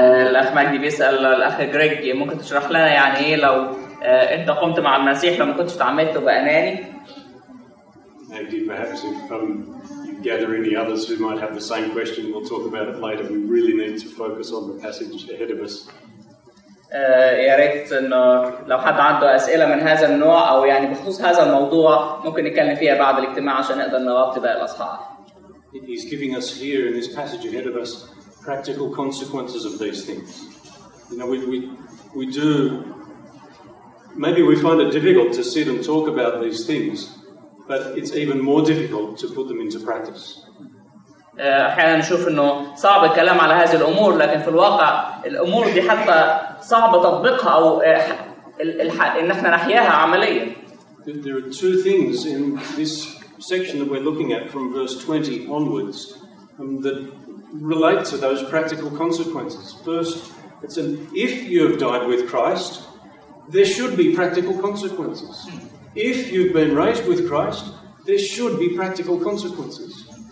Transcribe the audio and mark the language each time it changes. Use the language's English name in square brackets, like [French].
[Arabic] الأخ مجدي بيسأل الأخ جريج ممكن تشرح لنا يعني إيه لو أنت قمت مع المسيح لما كنتش تعاملت بأناني؟ [English] Maybe perhaps if you gather any others who might have the same question, we'll talk about it later. We really need to focus on the passage ahead of us. [Arabic] يا ريت إنه لو حد عنده أسئلة من هذا النوع أو يعني بخصوص هذا الموضوع ممكن نتكلم فيها بعد الاجتماع عشان نقدر نغطي باقي الأصحاح. [English] He's giving us here in this passage ahead of us practical consequences of these things. You know, we do. Maybe we find it difficult to sit and talk about these things, but it's even more difficult to put them into practice. [Arabic] أحيانا نشوف إنه صعب الكلام على هذه الأمور، لكن في الواقع الأمور دي حتى صعب تطبيقها أو إن إحنا نحياها عمليا. [English] There are two things in this section that we're looking at from verse 20 onwards that relate to those practical consequences. First, it's an if you have died with Christ, there should be practical consequences. If you've been raised with Christ, there should be practical consequences.